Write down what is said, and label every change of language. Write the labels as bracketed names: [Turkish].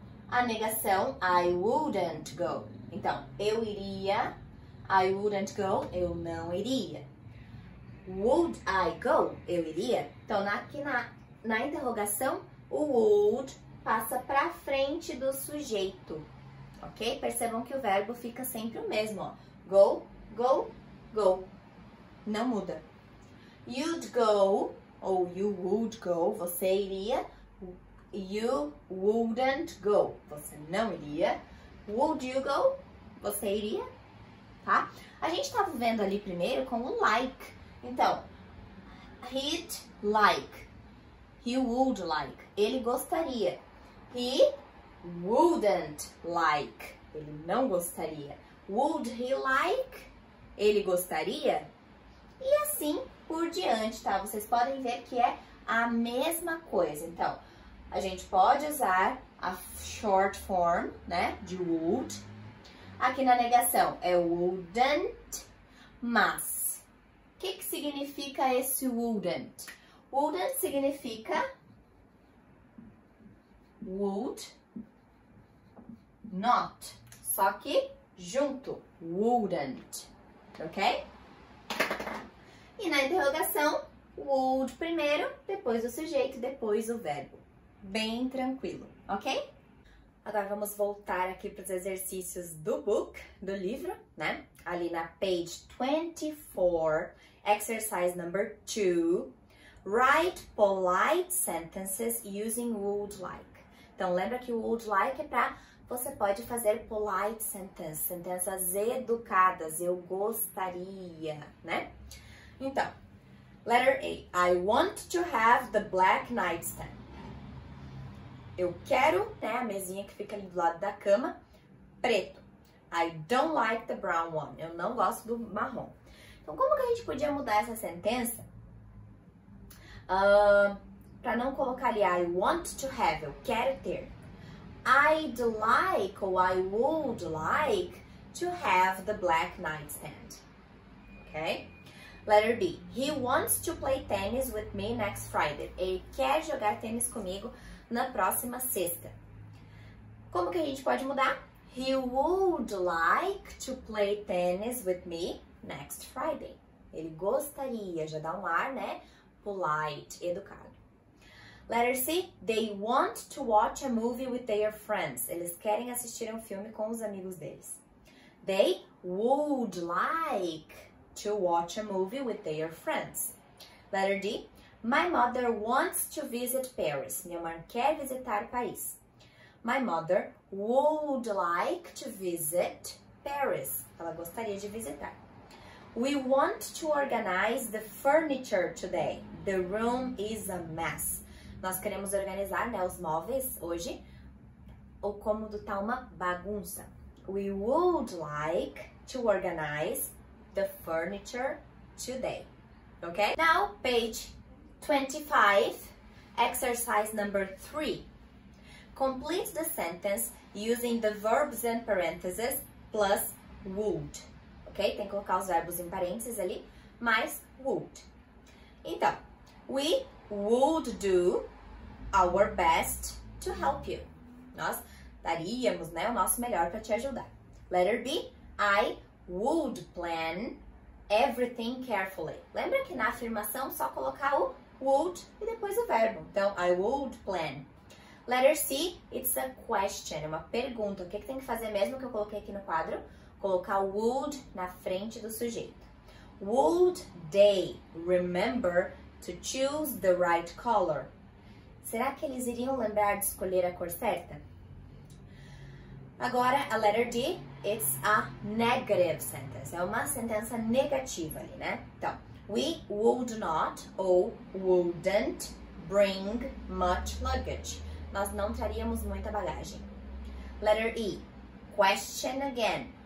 [Portuguese] A negação, [English] I wouldn't go. [Portuguese] Então, eu iria. [English] I wouldn't go. [Portuguese] Eu não iria. [English] Would I go? [Portuguese] Eu iria? Então, aqui na interrogação, o would passa para frente do sujeito, ok? Percebam que o verbo fica sempre o mesmo, ó. [English] Go, go, go. [Portuguese] Não muda. [English] You'd go, ou you would go, [Portuguese] você iria. [English] You wouldn't go, [Portuguese] você não iria. [English] Would you go, [Portuguese] você iria, tá? A gente estava vendo ali primeiro com o like. [English] Então, he'd like, he would like, [Portuguese] ele gostaria. [English] He wouldn't like, [Portuguese] ele não gostaria. [English] Would he like, [Portuguese] ele gostaria. E assim por diante, tá? Vocês podem ver que é a mesma coisa. Então, a gente pode usar a short form, né, de would. Aqui na negação é wouldn't, mas o que significa esse wouldn't? Wouldn't significa would not, só que junto, wouldn't, ok? E na interrogação, would primeiro, depois o sujeito, depois o verbo. Bem tranquilo, ok? Agora vamos voltar aqui para os exercícios do book, do livro, né? [English] Ali na page 24, exercise number 2, write polite sentences using would like. [Portuguese] Então, lembra que o would like é para você pode fazer polite sentences, sentenças educadas, eu gostaria, né? [English] Então, letter A, I want to have the black nightstand. [Portuguese] Eu quero, né, a mesinha que fica ali do lado da cama, preto. [English] I don't like the brown one. [Portuguese] Eu não gosto do marrom. Então, como que a gente podia mudar essa sentença? Para não colocar ali, [English] I want to have, [Portuguese] eu quero ter. [English] I'd like, ou I would like, to have the black nightstand. Ok? Letter B. He wants to play tennis with me next Friday. [Portuguese] Ele quer jogar tênis comigo na próxima sexta. Como que a gente pode mudar? [English] He would like to play tennis with me next Friday. [Portuguese] Ele gostaria, já dá um ar, né? Polite, educado. Letter C. [English] They want to watch a movie with their friends. [Portuguese] Eles querem assistir um filme com os amigos deles. [English] They would like to watch a movie with their friends. Letter D. My mother wants to visit Paris. [Portuguese] Minha mãe quer visitar Paris. [English] My mother would like to visit Paris. [Portuguese] Ela gostaria de visitar. [English] We want to organize the furniture today. The room is a mess. [Portuguese] Nós queremos organizar, né, os móveis hoje. O cômodo tá uma bagunça. [English] We would like to organize the furniture today. Ok? Now, page 25, exercise number 3. Complete the sentence using the verbs in parentheses plus would. Ok? [Portuguese] Tem que colocar os verbos em parênteses ali, mais would. [English] Então, we would do our best to help you. [Portuguese] Nós daríamos, né, o nosso melhor para te ajudar. [English] Letter B, I would plan everything carefully. [Portuguese] Lembra que na afirmação só colocar o would e depois o verbo. [English] Então, I would plan. Letter C, it's a question, [Portuguese] uma pergunta. O que tem que fazer mesmo que eu coloquei aqui no quadro? Colocar o would na frente do sujeito. [English] Would they remember to choose the right color? [Portuguese] Será que eles iriam lembrar de escolher a cor certa? [English] Agora, a letter D, it's a negative sentence. [Portuguese] É uma sentença negativa ali, né? Então, [English] we would not or wouldn't bring much luggage. [Portuguese] Nós não traríamos muita bagagem. [English] Letter E, question again.